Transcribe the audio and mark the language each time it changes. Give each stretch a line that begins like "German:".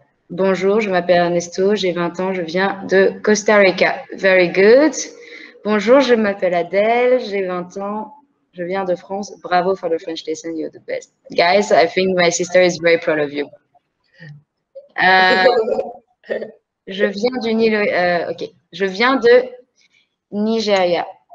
French: Bonjour, je m'appelle Ernesto, j'ai 20 ans, je viens de Costa Rica.
English: Very good.
French: Bonjour, je m'appelle Adèle, j'ai 20 ans, je viens de France.
English: Bravo for the French lesson, you're the best. Guys, I think my sister is very proud of you.
French: Je viens d'une île, ok, je viens de Nigeria.